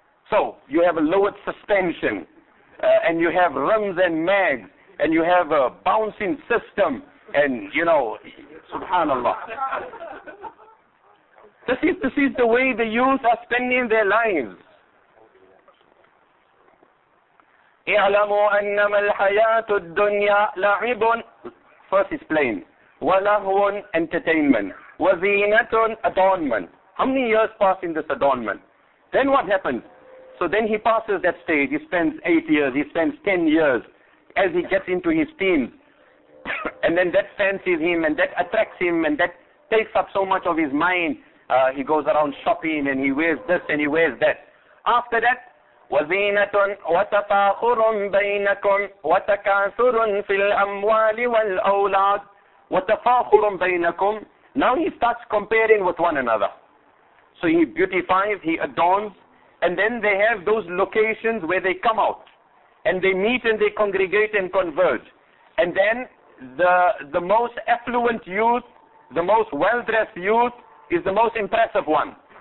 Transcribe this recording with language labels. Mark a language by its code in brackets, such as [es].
[en] So, you have a lowered suspension, and you have rims and mags, and you have a bouncing system, and you know, subhanallah. This is the way the youth are spending their lives. [ar] اعلموا انما الحياه الدنيا لعب [en] first is plain [ar] ولهو entertainment وزينه adornment. [en] How many years pass in this adornment? Then what happens? So then he passes that stage. He spends 8 years, he spends 10 years, as he gets into his teens, and then that fancies him and that attracts him and that takes up so much of his mind. He goes around shopping and he wears this and he wears that. After that, [ar] وزينة وتفاخر بينكم وتكاثر في الأموال والأولاد وتفاخر بينكم. [en] Now he starts comparing with one another. So he beautifies, he adorns, and then they have those locations where they come out and they meet and they congregate and converge. And then the most affluent youth, the most well-dressed youth is the most impressive one.